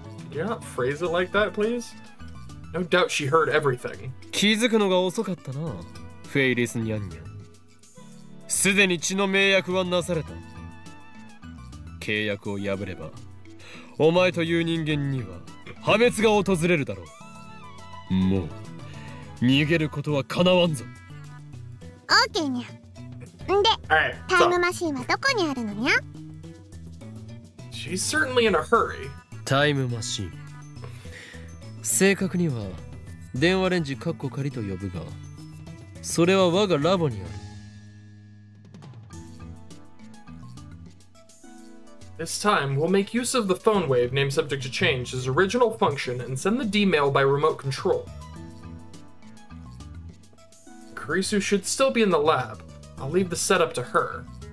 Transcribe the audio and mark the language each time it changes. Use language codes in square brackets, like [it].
[en] Can you not phrase it like that, please? No doubt she heard everything. [ja] 気づくのが遅かったな、フェイリスニャンニャン。すでに血の契約はなされた。契約を破れば、お前という人間には破滅が訪れるだろう。もう、逃げることはかなわんぞ。オーケーニャン。で、タイムマシンはどこにあるのニャン？ [en] She's certainly in a hurry. [ja] タイムマシン。正確には電話レンジカッコ仮と呼ぶが、それは我がラボにある。 [en] This time, we'll make use of the phone wave name subject to change as original function and send the D-mail by remote control. Karisu should still be in the lab. I'll leave the setup to her.